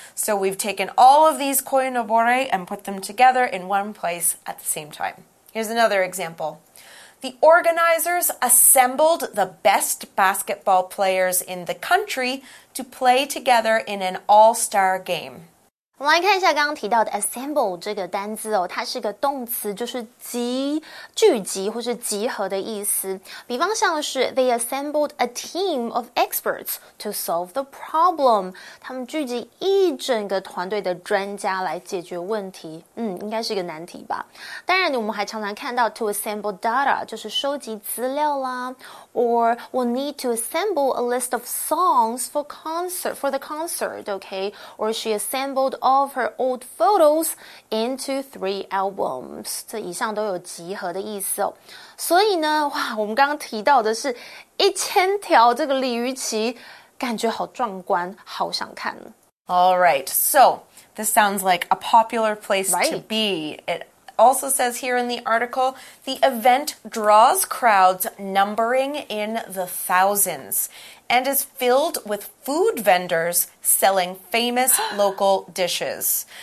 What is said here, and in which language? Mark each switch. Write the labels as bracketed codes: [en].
[en] So we've taken all of these koinobore and put them together in one place at the same time. Here's another example. The organizers assembled the best basketball players in the country to play together in an all-star game. [zh] 我们来看一下刚刚提到的 assemble 这个单字哦，它是个动词，就是聚集或是集合的意思。比方像是 [en] they assembled a team of experts to solve the problem， [zh] 他们聚集一整个团队的专家来解决问题。应该是个难题吧。当然，我们还常常看到 [en] to assemble data， [zh] 就是收集资料啦。 [en] Or we'll need to assemble a list of songs for the concert, okay? Or she assembled all of her old photos into 3 albums. [zh] 这以上都有集合的意思哦。所以呢，哇，我们刚刚提到的是1000条这个鲤鱼旗，感觉好壮观，好想看。 [en] All right, so this sounds like a popular place to be. It also says here in the article, the event draws crowds numbering in the thousands and is filled with food vendors selling famous local dishes.